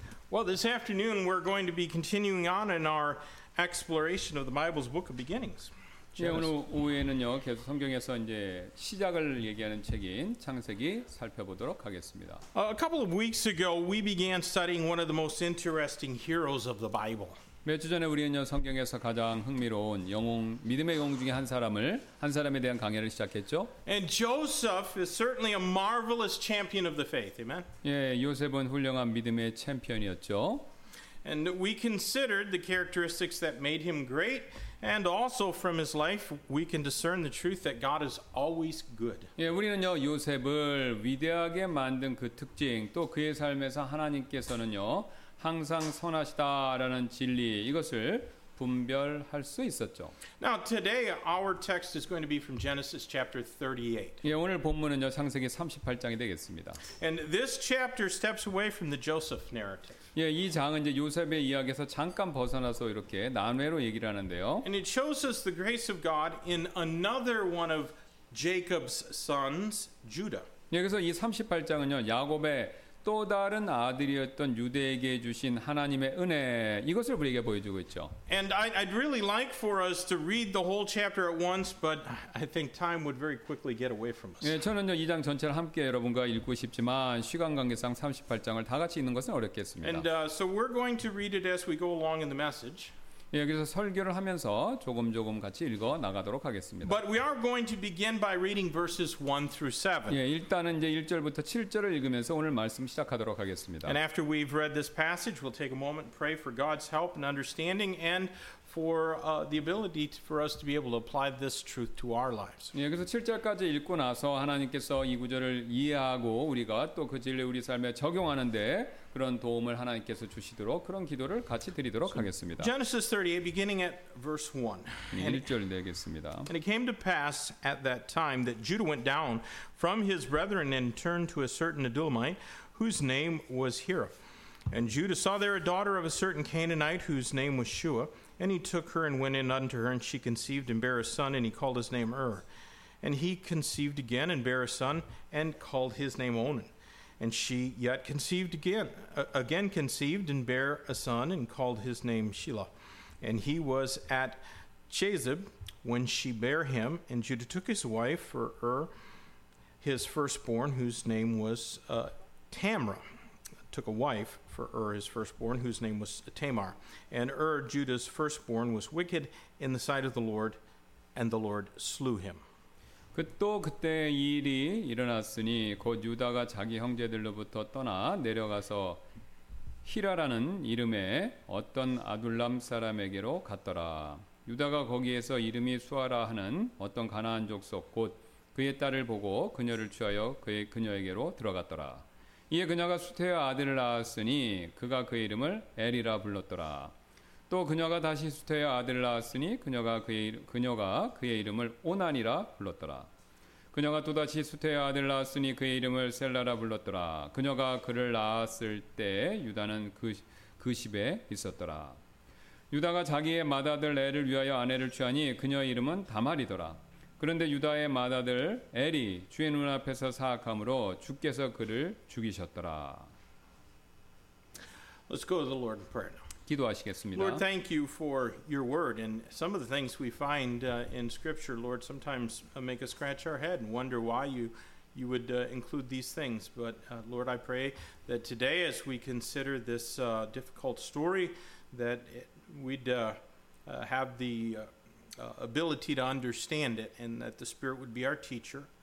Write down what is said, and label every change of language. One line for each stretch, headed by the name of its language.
English: Well, this afternoon we're going to be continuing on in our exploration of the Bible's Book of Beginnings.
Korean: 예, 오늘 오후에는요 계속 성경에서 이제 시작을 얘기하는 책인 창세기 살펴보도록 하겠습니다.
English: A couple of weeks ago, we began studying one of the most interesting heroes of the Bible.
Korean: 며칠 전에 우리는요 성경에서 가장 흥미로운 영웅, 믿음의 영웅 중에 한 사람에 대한 강해를 시작했죠.
English: And Joseph is certainly a marvelous champion of the faith. Amen.
Korean: 예, 요셉은 훌륭한 믿음의 챔피언이었죠.
English: And we considered the characteristics that made him great, and also from his life, we can discern the truth that God is always good.
Korean: 예, 우리는요 요셉을 위대하게 만든 그 특징, 또 그의 삶에서 하나님께서는요 항상 선하시다라는 진리 이것을 분별할 수 있었죠.
English: Now today our text is going to be from Genesis chapter 38.
Korean: 예, 오늘 본문은요 창세기 38장이 되겠습니다.
English: And this chapter steps away from the Joseph narrative.
Korean: 예, 이 장은 이제 요셉의 이야기에서 잠깐 벗어나서 이렇게 난회로 얘기를 하는데요.
English: And it shows us the grace of God in another one of Jacob's sons, Judah.
Korean: 예, 그래서 이 38장은요 야곱의 또 다른 아들이었던 유대에게 주신 하나님의 은혜 이것을 우리에게 보여주고 있죠.
English: And I'd really like for us to read the whole chapter at once, but I think time would very quickly get away from us.
Korean: 예, 저는요 이 장 전체를 함께 여러분과 읽고 싶지만 시간 관계상 38장을 다 같이 읽는 것은 어렵겠습니다.
English: And so we're going to read it as we go along in the message.
Korean: 예, 그래서 설교를 하면서 조금 조금 같이 읽어 나가도록 하겠습니다.
English: But we are going to begin by reading verses 1 through 7.
Korean: 예, 일단은 이제 1절부터 7절을 읽으면서 오늘 말씀 시작하도록 하겠습니다.
English: And after we've read this passage, we'll take a moment and pray for God's help and understanding and for the ability for us to be able to apply this truth to our lives.
Korean: 예, 그래서 7절까지 읽고 나서 하나님께서 이 구절을 이해하고 우리가 또 그 진리 우리 삶에 적용하는데 그런 도움을 하나님께서 주시도록 그런 기도를 같이 드리도록 하겠습니다.
English: Genesis 38 beginning at verse 1.
Korean: 1절 읽겠습니다.
English: And it came to pass at that time that Judah went down from his brethren and turned to a certain Adullamite whose name was Hira. And Judah saw there a daughter of a certain Canaanite whose name was Shua. And he took her and went in unto her, and she conceived and bare a son, and he called his name Ur. And he conceived again and bare a son, and called his name Onan. And she yet conceived again conceived and bare a son, and called his name Shelah. And he was at Chazeb when she bare him, and Judah took his wife for Ur, his firstborn, whose name was Tamra. Took a wife for Ur, his firstborn, whose name was Tamar. And Ur, Judah's firstborn, was wicked in the sight of the Lord, and the Lord slew him.
Korean: 또 그때 일이 일어났으니 곧 유다가 자기 형제들로부터 떠나 내려가서 히라라는 이름의 어떤 아둘람 사람에게로 갔더라. 유다가 거기에서 이름이 수아라 하는 어떤 가나안 족속 곧 그의 딸을 보고 그녀를 취하여 그녀에게로 들어갔더라. 이에 그녀가 수태의 아들을 낳았으니 그가 그 이름을 엘이라 불렀더라. 또 그녀가 다시 수태의 아들을 낳았으니 그녀가 그의 이름을 오난이라 불렀더라. 그녀가 또다시 수태의 아들을 낳았으니 그의 이름을 셀라라 불렀더라. 그녀가 그를 낳았을 때 유다는 그 집에 있었더라. 유다가 자기의 맏아들 엘을 위하여 아내를 취하니 그녀의 이름은 다말이더라. 그런데 유다의 맏아들 엘이 주의 눈앞에서 사악함으로 주께서 그를 죽이셨더라.
English: Let's go to the Lord in prayer now.
Korean: 기도하시겠습니다.
English: Lord, thank you for your word. And some of the things we find in scripture, Lord, sometimes make us scratch our head and wonder why you would include these things. But Lord, I pray that today as we consider this difficult story, that we'd have the ability to understand it and that the Spirit would be our teacher.